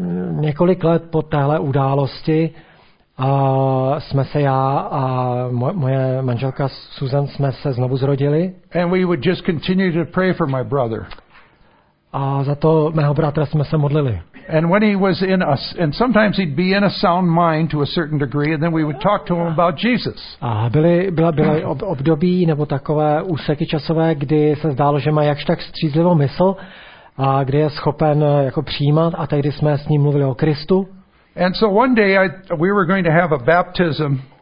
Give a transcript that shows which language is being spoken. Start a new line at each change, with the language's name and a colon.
Czech: Několik let po téhle události jsme se já a moje manželka Susan jsme se znovu zrodili.
English: And we would just continue to pray for my brother.
Czech: A za to mého bratra jsme se modlili.
English: And when he was in us, and sometimes he'd be in a sound mind to a certain degree, and then we would talk to him about Jesus.
Czech: A byla období nebo takové úseky časové, kdy se zdálo, že má jakž tak střízlivou mysl, a kde je schopen jako přijímat, a tehdy jsme s ním mluvili o Kristu.
English: And so one day we were going to have a baptism.